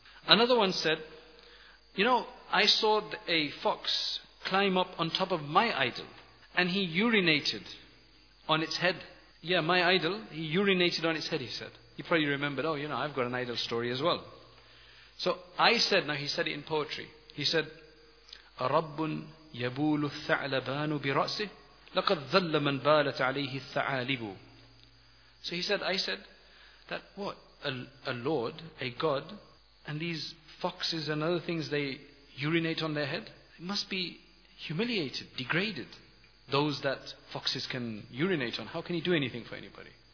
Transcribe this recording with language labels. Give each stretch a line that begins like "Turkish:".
English: Another one said, you know, I saw a fox climb up on top of my idol. And he urinated on its head. Yeah, my idol, he urinated on its head, he said. He probably remembered, oh, you know, I've got an idol story as well. So I said, now he said it in poetry.
Arabic: He said, أَرَبٌ يَبُولُ الثَّعْلَبَانُ بِرَأْسِهِ لَقَدْ ذَلَّ مَنْ بَالَتْ عَلَيْهِ الثَّعَالِبُ.
English: So he said, I said, that what? A lord, a god, and these foxes and other things, they urinate on their head? They must be humiliated, degraded. Those that foxes can urinate on, how can he do anything for anybody?